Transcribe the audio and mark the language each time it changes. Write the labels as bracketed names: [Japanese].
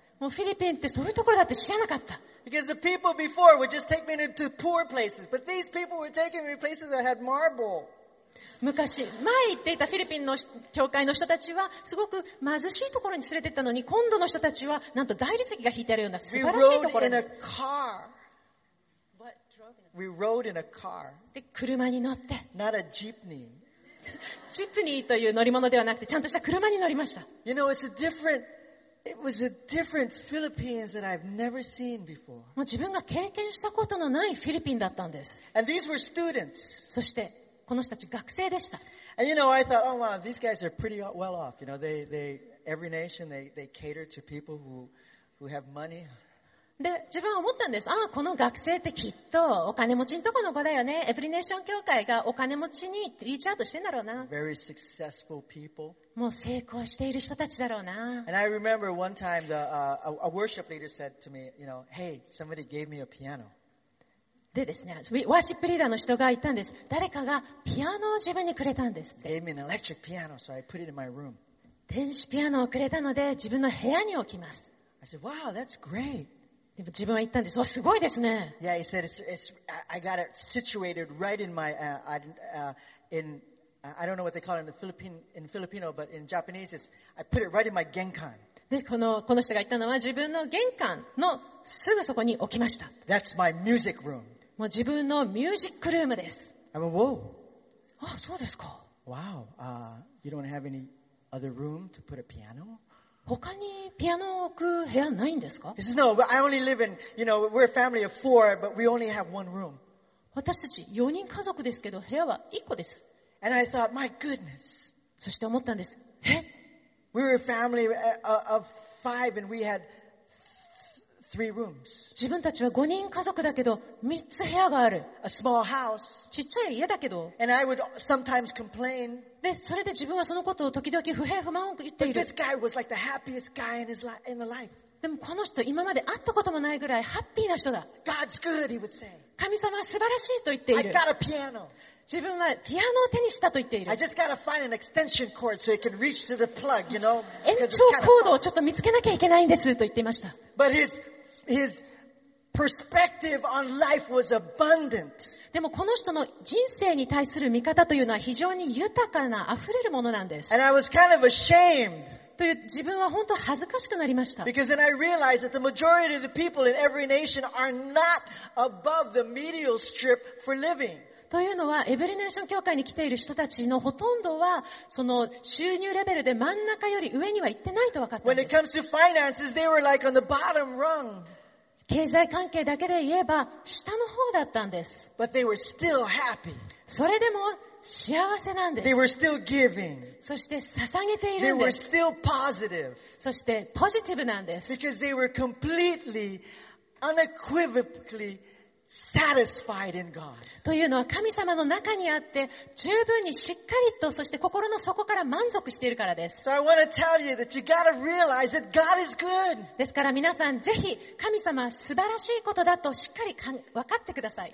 [Japanese] もうフィリピンってそういうところだって知らなかった。 [English] Because the people before would just take me to poor places, but these people were taking me to places that had marble. [Japanese] 昔、前行っていたフィリピンの教会の人たちはすごく貧しいところに連れて行ったのに、今度の人たちはなんと大理石が引いてあるような素晴らしいところに。 [English] We rode in a car. We rode in a car. [Japanese] で、車に乗って。 [English] Not a jeepney. [Japanese] ジプニーという乗り物ではなくて、ちゃんとした車に乗りました。 [English] You know, it's a different. It was a different Philippines that I've never seen before. [Japanese] もう自分が経験したことのないフィリピンだったんです。 [English] And these were students. [Japanese] そしてこの人たち学生でした。 [English] And you know, I thought, oh wow, these guys are pretty well off. You know, they every nation they cater to people who have money. [Japanese] で、自分は思ったんです。ああ、この学生ってきっとお金持ちのとこの子だよね。エブリネーション教会がお金持ちにリーチアウトしてんだろうな。 [English] Very successful people. [Japanese] もう成功している人たちだろうな。 [English] And I remember one time the, a worship leader said to me, you know, hey, somebody gave me a piano. [Japanese] でですね、ワーシップリーダーの人が言ったんです。誰かがピアノを自分にくれたんですって。 [English] Gave me an electric piano, so I put it in my room. [Japanese] 電子ピアノをくれたので自分の部屋に置きます。 [English] I said, wow, that's great. [Japanese] でも自分は言ったんです。わ、すごいですね。 [English] Yeah, he said, I got it situated right in my, in,I don't know what they call it in Filipino, but in Japanese, it's, I put it right in my 玄関. [Japanese] この人が言ったのは自分の玄関のすぐそこに置きました。 [English] That's my music room. [Japanese] もう自分のミュージックルームです。 [English] I went, whoa. [Japanese] あ、そうですか。 [English] Wow. You don't have any other room to put a piano? [Japanese] 他にピアノを置く部屋ないんですか？ [English] He says, no, but I only live in, you know, we're a family of four, but we only have one room. [Japanese] 私たち4人家族ですけど、部屋は1個です。 [English] And I thought, my goodness. [Japanese] そして思ったんです。 [English] We were a family of five and we had three rooms. [Japanese] 自分たちは5人家族だけど、3つ部屋がある。 [English] A small house. [Japanese] ちっちゃい家だけど。 [English] And I would sometimes complain. [Japanese] で、それで自分はそのことを時々不平不満を言っている。 [English] But this guy was like the happiest guy in his life, in the life. [Japanese] でもこの人、今まで会ったこともないぐらいハッピーな人だ。 [English] God's good, he would say. [Japanese] 神様は素晴らしいと言っている。 [English] I got a piano. [Japanese] 自分はピアノを手にしたと言っている。 [English] I just gotta find an extension cord so it can reach to the plug, you know? [Japanese] 延長コードをちょっと見つけなきゃいけないんですと言っていました。 [English] But his perspective on life was abundant. [Japanese] でもこの人の人生に対する見方というのは非常に豊かな、溢れるものなんです。 [English] And I was kind of ashamed. [Japanese] という自分は本当恥ずかしくなりました。 [English] Because then I realized that the majority of the people in every nation are not above the medial strip for living. [Japanese] というのは、エブリネーション教会に来ている人たちのほとんどは、その収入レベルで真ん中より上には行ってないと分かったんです。 [English] When it comes to finances, they were like on the bottom rung. [Japanese] 経済関係だけで言えば、下の方だったんです。 [English] But they were still happy. [Japanese] それでも幸せなんです。 [English] They were still giving. [Japanese] そして捧げているんです。 [English] They were still positive. [Japanese] そしてポジティブなんです。 [English] Because they were completely, unequivocally satisfied in God. [Japanese] というのは神様の中にあって十分にしっかりとそして心の底から満足しているからです。 [English] So I want to tell you that you got to realize that God is good. [Japanese] ですから皆さんぜひ神様は素晴らしいことだとしっかり分かってください。